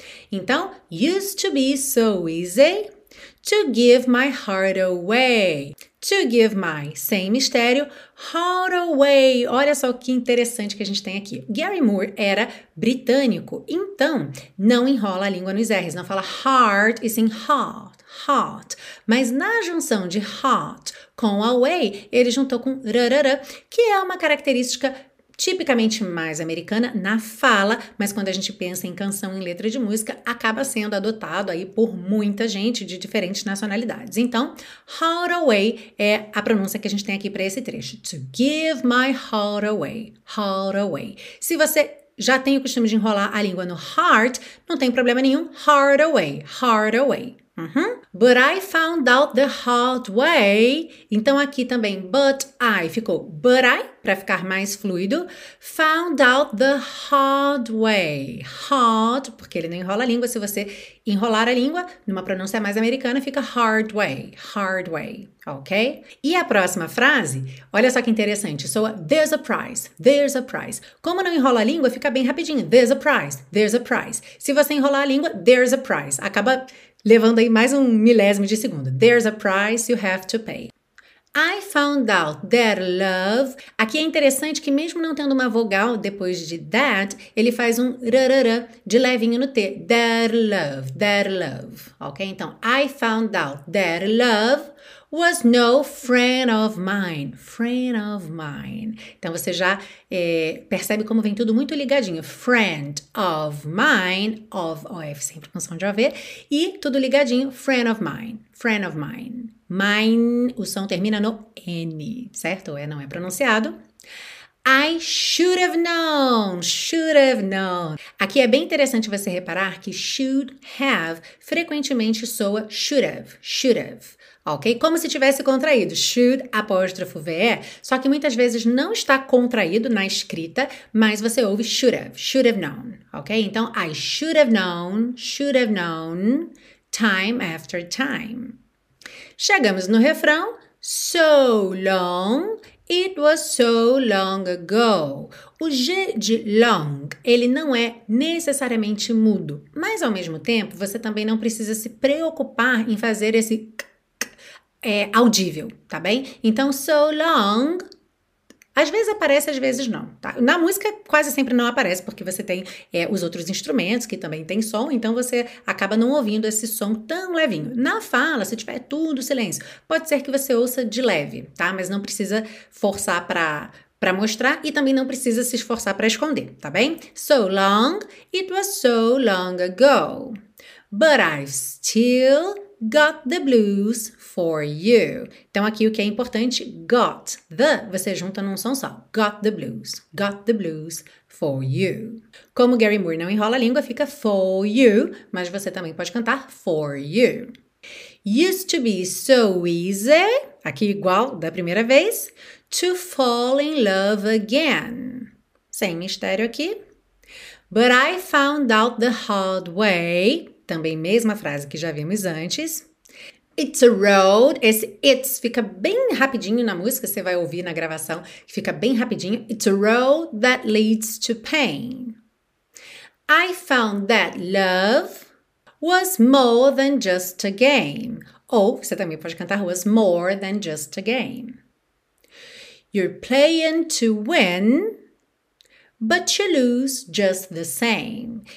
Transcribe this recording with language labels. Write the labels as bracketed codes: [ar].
[en] Então, used to be so easy to give my heart away. To give my, [pt] sem mistério, [en] heart away. [pt] Olha só que interessante que a gente tem aqui. Gary Moore era britânico, então não enrola a língua nos R's, não fala heart e sim heart, heart. Mas na junção de heart com away, ele juntou com rarara, que é uma característica tipicamente mais americana na fala, mas quando a gente pensa em canção em letra de música, acaba sendo adotado aí por muita gente de diferentes nacionalidades. Então, heart away é a pronúncia que a gente tem aqui para esse trecho. [en] To give my heart away, heart away. [pt] Se você já tem o costume de enrolar a língua no heart, não tem problema nenhum. [en] Heart away, heart away. But I found out the hard way. [pt] Então aqui também, but I ficou but I, para ficar mais fluido. [en] Found out the hard way. [pt] Hard, porque ele não enrola a língua. Se você enrolar a língua, numa pronúncia mais americana, fica hard way. Hard way. Ok? E a próxima frase, olha só que interessante. Soa [en] there's a prize. There's a prize. [pt] Como não enrola a língua, fica bem rapidinho. [en] There's a prize. There's a prize. [pt] Se você enrolar a língua, [en] there's a prize. [pt] Acaba levando aí mais um milésimo de segundo. [en] There's a price you have to pay. I found out that love. [pt] Aqui é interessante que, mesmo não tendo uma vogal depois de that, ele faz um rarara de levinho no T. [en] That love, ok? Então, I found out that love was no friend of mine. Friend of mine. [pt] Então você já percebe como vem tudo muito ligadinho. [en] Friend of mine. [pt] Of, OF, sempre com som de OV. E tudo ligadinho. [en] Friend of mine. Friend of mine. [pt] Mine, o som termina no N, certo? É, não é pronunciado. [en] I should have known, should have known. [pt] Aqui é bem interessante você reparar que should have frequentemente soa should have, ok? Como se tivesse contraído, should, apóstrofo VE, só que muitas vezes não está contraído na escrita, mas você ouve should have known, ok? [en] Então, I should have known, time after time. [pt] Chegamos no refrão, so long. [en] It was so long ago. [pt] O G de long, ele não é necessariamente mudo, mas ao mesmo tempo você também não precisa se preocupar em fazer esse audível, tá bem? Então, so long. Às vezes aparece, às vezes não, tá? Na música quase sempre não aparece, porque você tem os outros instrumentos que também tem som, então você acaba não ouvindo esse som tão levinho. Na fala, se tiver tudo silêncio, pode ser que você ouça de leve, tá? Mas não precisa forçar para mostrar e também não precisa se esforçar para esconder, tá bem? [en] So long, it was so long ago. But I've still got the blues for you. [pt] Então aqui o que é importante, got the, você junta num som só. [en] Got the blues for you. [pt] Como Gary Moore não enrola a língua, fica for you, mas você também pode cantar for you. [en] Used to be so easy, [pt] aqui igual da primeira vez, [en] to fall in love again. [pt] Sem mistério aqui. [en] But I found out the hard way. [pt] Também mesma frase que já vimos antes. [en] It's a road. [pt] Esse it's fica bem rapidinho na música, você vai ouvir na gravação, fica bem rapidinho. [en] It's a road that leads to pain. I found that love was more than just a game. [pt] Ou você também pode cantar [en] was more than just a game. You're playing to win. But you lose just the same.